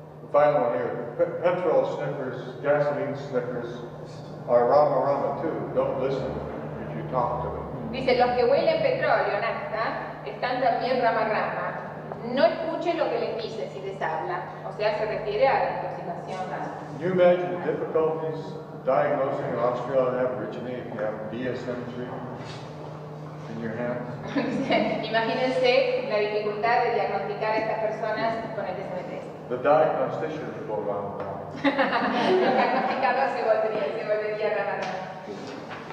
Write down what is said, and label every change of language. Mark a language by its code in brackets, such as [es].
[en] Final one here. Petrol snippers, gasoline snippers are Rama Rama too. Don't listen if you talk to them. [es] Dice, los que huelen petróleo, nafta, están también Rama Rama. No escuche lo que les dice si les habla. O sea, se refiere a la intoxicación. [en] Can you imagine the difficulties diagnosing an Australian aborigine if you have DSM-3 in your hands? [es] Imagínense la dificultad de diagnosticar a estas personas con el DSM-3. [en] The diagnostician would go round and round. [es] The diagnosticador se volvería [en] round and round.